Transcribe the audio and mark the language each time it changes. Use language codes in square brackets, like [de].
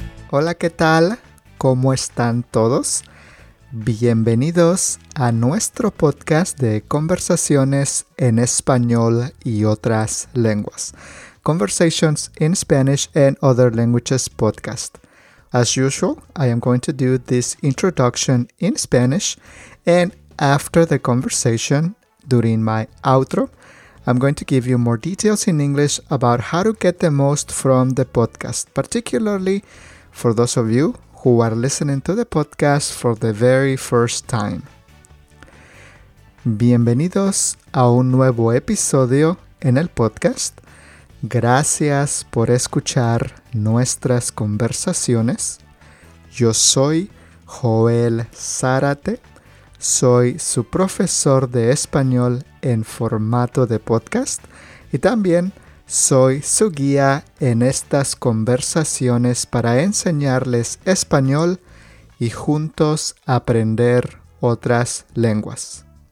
[es] Hola, ¿qué tal? ¿Cómo están todos? Bienvenidos a nuestro podcast de conversaciones en español y otras lenguas. [en] Conversations in Spanish and Other Languages podcast. As usual, I am going to do this introduction in Spanish, and after the conversation, during my outro, I'm going to give you more details in English about how to get the most from the podcast, particularly for those of you who are listening to the podcast for the very first time. [es] Bienvenidos a un nuevo episodio en el podcast. Gracias por escuchar nuestras conversaciones. Yo soy Joel Zárate. Soy su profesor de español en formato de podcast y también soy su guía en estas conversaciones para enseñarles español y juntos aprender otras lenguas.